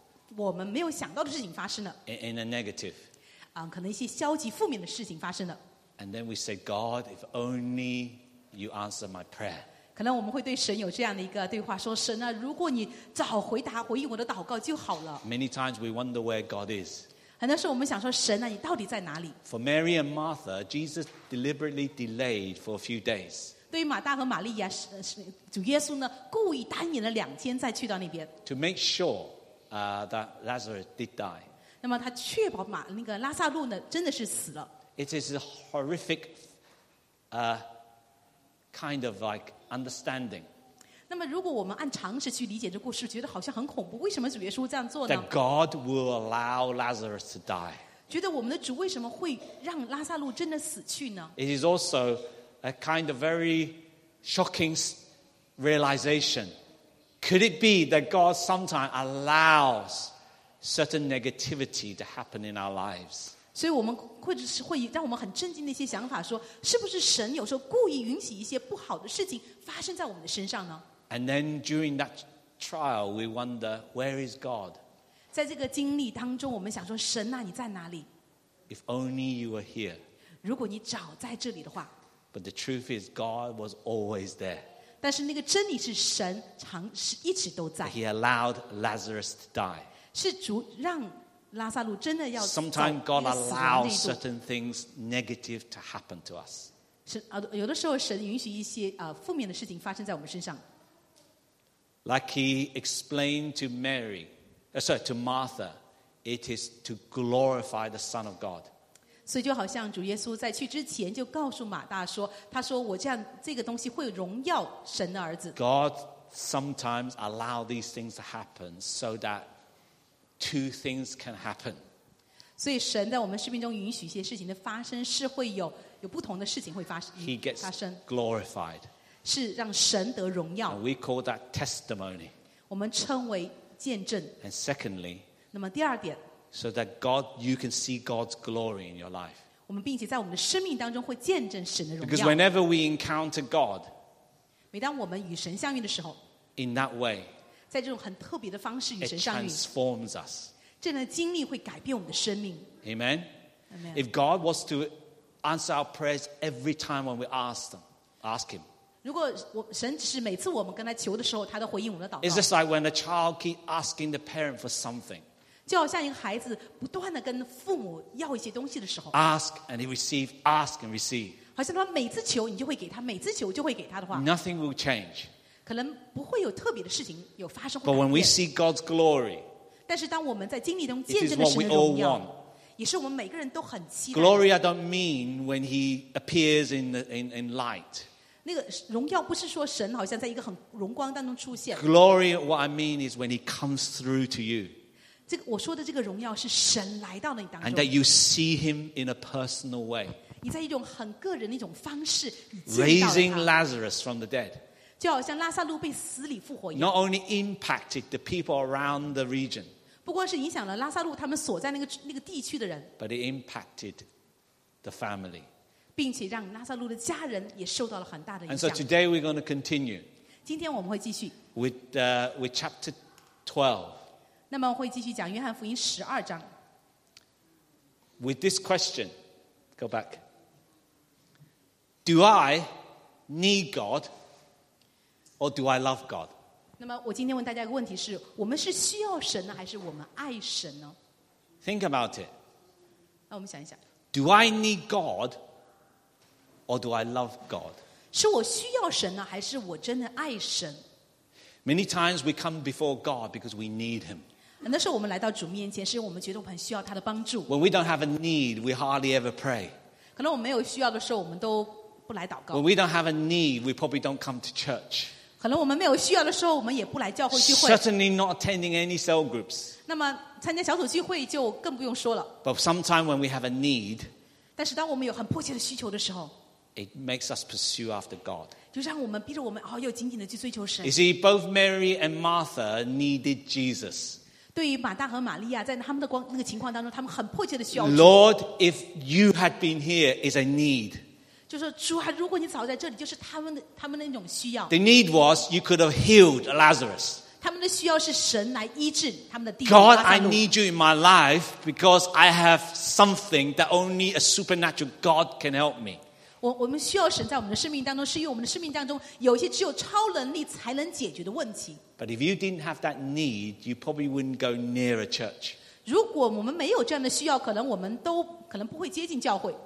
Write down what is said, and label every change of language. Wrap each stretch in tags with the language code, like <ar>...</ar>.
<zh>然后我们没有想到的事情发生了,</zh> <en>in a negative,</en> <zh>可能一些消极负面的事情发生了。</zh> <en>And then we say, God, if only you answer my prayer.</en> <zh>可能我们会对神有这样的一个对话, 说, 神啊, 如果你早回答, 回应我的祷告就好了。</zh> <en>Many times we wonder where God is.</en> <zh>很多时候我们想说, 神啊, 你到底在哪里?</zh> <en>For Mary and Martha, Jesus deliberately delayed for a few days.</en> <zh>对于马大和玛利亚, 主耶稣呢, 故意单延了两天, 再去到那边,</zh> <en>to make sure that Lazarus did die.</en> <zh>那么他确保马, 那个拉萨路呢, 真的是死了。</zh> <en>It is a horrific kind of like understanding.</en> <zh>那么如果我们按常识去理解这故事, 觉得好像很恐怖, 为什么主耶稣这样做呢?</zh> <en>That God will allow Lazarus to die.</en> <zh>觉得我们的主为什么会让拉萨路真的死去呢?</zh> <en>It is also a kind of very shocking realization. Could it be that God sometimes allows certain negativity to happen in our lives?</en> <zh>所以我们会让我们很震惊的一些想法, 说是不是神有时候故意允许一些不好的事情发生在我们的身上呢?</zh> <en>And then during that trial, we wonder, where is God?</en> <zh>在这个经历当中, 我们想说, 神啊, 你在哪里?</zh> <en>If only you were here.</en> <zh>如果你早在这里的话,</zh> <en>but the truth is, God was always there.</en> <zh>但是那个真理是神常, 一直都在。</zh> <en>He allowed Lazarus to die.</en> <zh>是主让</zh> <en>Sometimes God allows certain things negative to happen to us.</en> <zh>有的时候神允许一些负面的事情发生在我们身上。</zh> <en>Like he explained to Mary, sorry, to Martha, it is to glorify the Son of God.</en> <zh>所以就好像主耶稣在去之前就告诉马大说, 他说我这样这个东西会荣耀神的儿子。</zh> <en>God sometimes allows these things to happen so that two things can happen.</en> <zh>所以神在我们生命中允许一些事情的发生, 是会有, 有不同的事情会发生,</zh> <en>He gets glorified.</en> <zh>是让神得荣耀。</zh> <en>And we call that testimony.</en> <zh>我们称为见证。</zh> <en>And secondly,</en> <zh>那么第二点,</zh> <en>so that God, you can see God's glory in your life.</en> <zh>我们并且在我们的生命当中会见证神的荣耀。</zh> <en>Because whenever we encounter God,</en> <zh>每当我们与神相遇的时候,</zh> <en>in that way,</en> <zh>在这种很特别的方式与神相遇,</zh> <en>it transforms us.</en> <zh>这样的经历会改变我们的生命。</zh> <en>Amen? Amen. If God was to answer our prayers every time when we ask him,</en> <zh>如果神只是每次我们跟他求的时候, 他都回应我们的祷告。</zh> <en>It's just like when a child keeps asking the parent for something.</en> <zh>就好像一个孩子不断地跟父母要一些东西的时候,</zh> <en>ask and he receive, ask and receive.</en> <zh>好像他每次求你就会给他, 每次求就会给他的话,</zh> <en>nothing will change.</en> <zh>可能不会有特别的事情有发生,</zh> <en>but when we see God's glory,</en> <zh>但是当我们在经历中见证的神的荣耀, 也是我们每个人都很期待的。</zh> <en>Glory I don't mean when he appears in light.</en> <zh>那个荣耀不是说神好像在一个很荣光当中出现。</zh> <en>Glory what I mean is when he comes through to you.</en> <zh>我说的这个荣耀是神来到你当中。</zh> <en>And that you see him in a personal way.</en> <zh>你在一种很个人的一种方式你见到他。</zh> <en>Raising Lazarus from the dead.</en> <zh>就好像拉萨路被死里复活一样,</zh> <en>not only impacted the people around the region,</en> <zh>不光是影响了拉萨路他们所在那个地区的人,</zh> <en>but it impacted the family,</en> <zh>并且让拉萨路的家人也受到了很大的影响。</zh> <en>And so today we're going to continue,</en> <zh>今天我们会继续,</zh> <en>with chapter 12,</en> <zh>那么会继续讲约翰福音12章,</zh> <en>with this question, go back, do I need God? Or do I love God?</en> <zh>那么我今天问大家一个问题是, 我们是需要神呢, 还是我们爱神呢?</zh> <en>Think about it.</en> <zh>那我们想一想,</zh> <en>do I need God? Or do I love God?</en> <zh>是我需要神呢, 还是我真的爱神?</zh> <en>Many times we come before God because we need him.</en> <zh>很多时候我们来到主面前, 是因为我们觉得我们很需要他的帮助。</zh> <en>When we don't have a need, we hardly ever pray.</en> <zh>可能我们没有需要的时候, 我们都不来祷告。</zh> <en>When we don't have a need, we probably don't come to church.</en> <zh>可能我们没有需要的时候，我们也不来教会聚会。</zh> <en>Certainly not attending any cell groups.</en> <zh>那么参加小组聚会就更不用说了。</zh> <en>But sometimes when we have a need,</en> <zh>但是当我们有很迫切的需求的时候，</zh> <en>it makes us pursue after God.</en> <zh>就让我们逼着我们哦，又紧紧的去追求神。</zh> <en>You see, both Mary and Martha needed Jesus.</en> <zh>对于马大和玛利亚，在他们的光那个情况当中，他们很迫切的需要。</zh> <en>Lord, if you had been here, is a need.</en> <zh>就是主啊，如果你早在这里，就是他们的那种需要。</zh> <en>The need was you could have healed Lazarus.</en> <zh>他们的需要是神来医治他们的弟弟。</zh> <en>God, I need you in my life because I have something that only a supernatural God can help me.</en> <zh>我们需要神在我们的生命当中，是因为我们的生命当中有一些只有超能力才能解决的问题。</zh> <en>But if you didn't have that need, you probably wouldn't go near a church.</en> <zh>如果我们没有这样的需要，可能我们都可能不会接近教会，</zh>